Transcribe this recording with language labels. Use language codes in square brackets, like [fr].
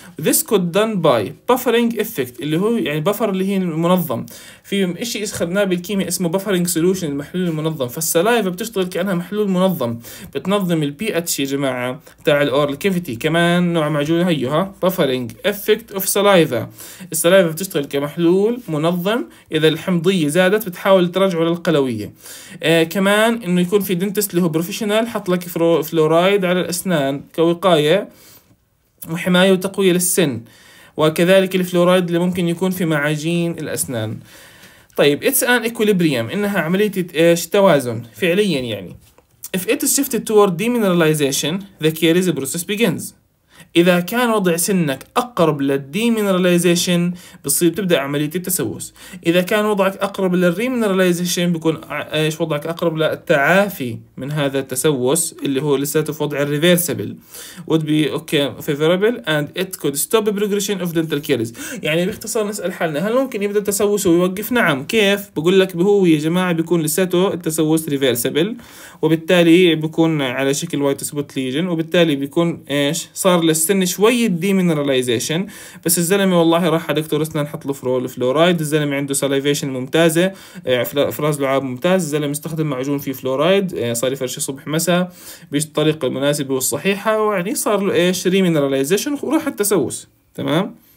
[ar] This could done by buffering effect اللي هو يعني buffer اللي هي المنظم في إشي أخذناه بالكيمياء اسمه buffering solution المحلول المنظم فالسلايفة بتشتغل كأنها محلول منظم بتنظم البيئة شي جماعة تاع الأورال كافيتي كمان نوع معجون هيها buffering effect of saliva السلايفة بتشتغل كمحلول منظم إذا الحمضية زادت بتحاول ترجعه للقلوية. كمان إنه يكون في dentist اللي هو professional حط لك فلورايد على الأسنان كوقاية وحماية وتقوية للسن وكذلك الفلورايد اللي ممكن يكون في معاجين الأسنان. [en] طيب it's an equilibrium إنها عملية إيش توازن فعليا يعني if it is shifted toward demineralization the caries process begins [ar] إذا كان وضع سنك أقرب للديمينراليزيشن بصير تبدأ عملية التسوس. إذا كان وضعك أقرب للريمينراليزيشن بيكون إيش وضعك أقرب للتعافي من هذا التسوس اللي هو لساته في وضع الريفيرسبل. [en] Would be okay favorable and it could stop progression of dental caries. [ar] يعني باختصار نسأل حالنا هل ممكن يبدأ التسوس ويوقف؟ نعم. كيف؟ بقول لك بهو يا جماعة بيكون لساته التسوس ريفيرسبل وبالتالي بيكون على شكل white spot lesion وبالتالي بيكون إيش صار للسن شوية ديمينراليزيشن بس الزلمة والله راح على دكتور اسنان حط له فلورايد الزلمة عنده سالايفيشن ممتازة افراز لعاب ممتاز الزلمة استخدم معجون فيه فلورايد صار يفرش صبح مساء بالطريقة المناسبة والصحيحة ويعني صار له ايش ريمينراليزيشن وراح التسوس تمام